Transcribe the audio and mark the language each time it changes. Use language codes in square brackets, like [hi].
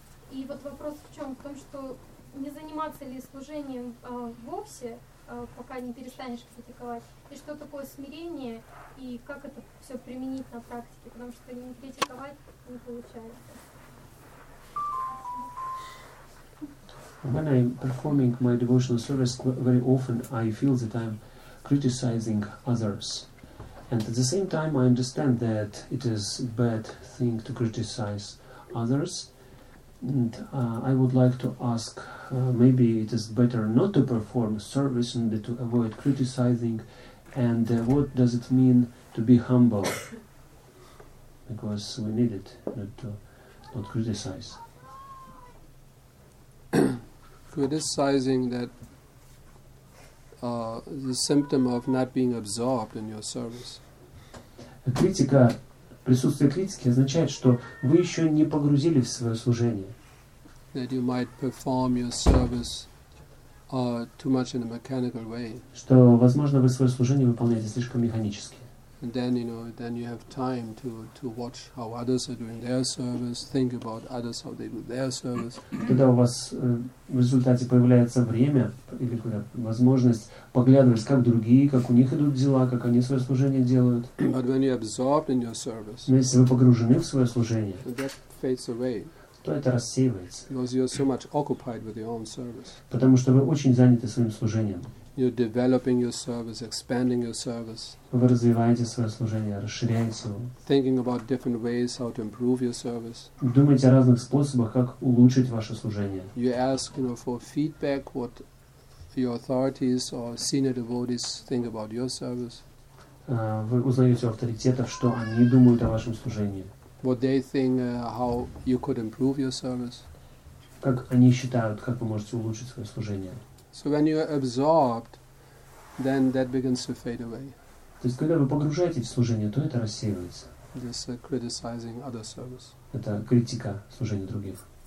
[ru] И вот вопрос в чем? В том, что не заниматься ли служением вовсе, пока не перестанешь критиковать, и что такое смирение, и как это все применить на практике, потому что не критиковать не получается. [en] When I'm performing my devotional service, very often I feel that I'm criticizing others. And at the same time, I understand that it is a bad thing to criticize others. And I would like to ask, maybe it is better not to perform service and to avoid criticizing. And what does it mean to be humble? Because we need it, not criticize. Criticizing that is a symptom of not being absorbed in your service. [ru] Критика, присутствие критики означает, что вы еще не погрузились в свое служение. [en] That you might perform your service too much in a mechanical way. [ru] Что, возможно, вы свое служение выполняете слишком механически. [en] And then, you know, then you have time to watch how others are doing their service, think about others, how they do their service. [ru] Тогда у вас в результате появляется время или какая-то возможность поглядывать, как другие, как у них идут дела, как они свое служение делают. [en] But when you're absorbed in your service, [ru] но если вы погружены в свое служение, [en] that fades away, [ru] то это рассеивается. [en] Because you're so much occupied with your own service. [ru] Потому что вы очень заняты своим служением. [en] You're developing your service, expanding your service. [ru] Вы развиваете свое служение, расширяете его. [en] Thinking about different ways how to improve your service. [ru] Думаете о разных способах, как улучшить ваше служение. [en] You ask, you know, for feedback what your authorities or senior devotees think about your service. [ru] Вы узнаете у авторитетов, что они думают о вашем служении. [en] What they think how you could improve your service. [ru] Как они считают, как вы можете улучшить свое служение. [en] So when you are absorbed, then that begins to fade away. [ru] То есть когда вы погружаетесь в служение, то это рассеивается. [en] This criticizing other service. [ru] Это критика служения других.